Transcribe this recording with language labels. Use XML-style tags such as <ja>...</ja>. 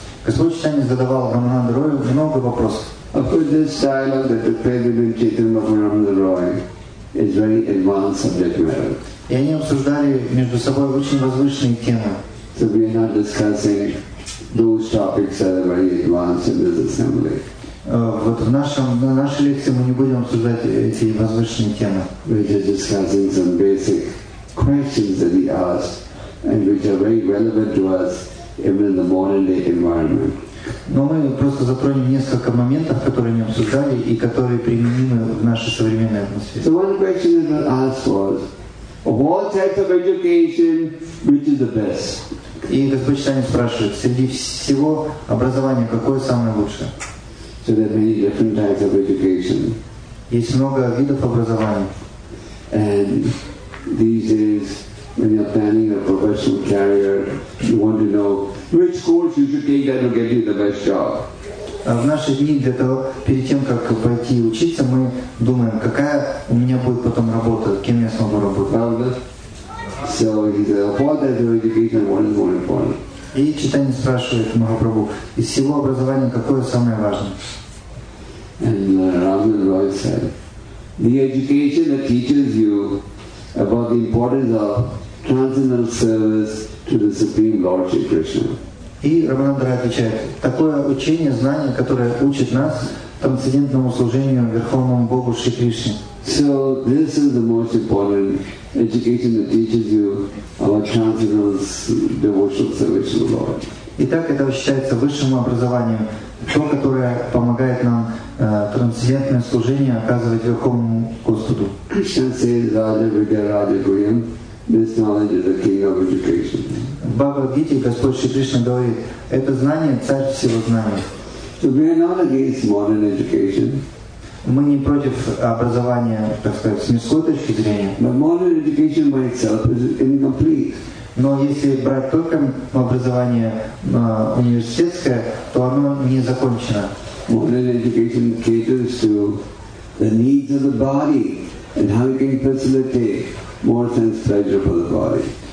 <ru>Господь Читание задавал Рамананда Рою много вопросов.</ru> <en>Of course, this dialogue that the President Chaitanya and Ramananda Roy is very advanced subject matter.</en> <ru>И они обсуждали между собой очень возвышенные темы.</ru> <en>So we are not discussing those topics that are very advanced in this assembly.</en> <ru>Вот на нашей лекции мы не будем обсуждать эти возвышенные темы.</ru> <en>We're just discussing some basic questions that he asked and which are very relevant to us even in the modern day environment.</en> <ru>Но мы просто затронем несколько моментов, которые они обсуждали и которые применимы в нашей современной атмосфере.</ru> <en>So one question that was asked was, of all types of education, which is the best?</en> <ru>И Господь Читание спрашивает, среди всего образования какое самое лучшее?</ru> <en>So there are many different types of education.</en> <ru>Есть много видов образования.</ru> <en>And these days, when you're planning a professional career, you want to know which course you should take that will get you the best job.</en> <ru>В наши дни, для того, перед тем, как пойти учиться, мы думаем, какая у меня будет потом работа, кем я смогу работать.</ru> <en>So he said, what type of education, what is more important?</en> <ru>И Читание спрашивает Махапрабху, из всего образования какое самое важное?</ru> <en>And Рамананда Рой said, the education that teaches you about the importance of transcendental service to the Supreme Lord Shri Krishna.</en> <ru>И Рамананда Рой отвечает, такое учение, знание, которое учит нас трансцендентному служению Верховному Богу Шри Кришне.</ru> <en>So this is the most important education that teaches you about transcendental devotional service to the Lord.</en> <ru>И так это считается высшим образованием, то, которое помогает нам трансцендентное служение оказывать Верховному Господу. Бхагавад-гите Господь Шри Кришна говорит, это знание царь всего знания.</ru> <en>So we are not against modern education.</en> <ru>Мы не против образования, так сказать, с мирской точки зрения.</ru> <en>But modern education by itself is incomplete.</en> <ru>Но если брать только образование университетское, то оно не закончено.</ru> <en>Modern education caters to the needs of the body and how it can facilitate more sense pleasure for the body.</en>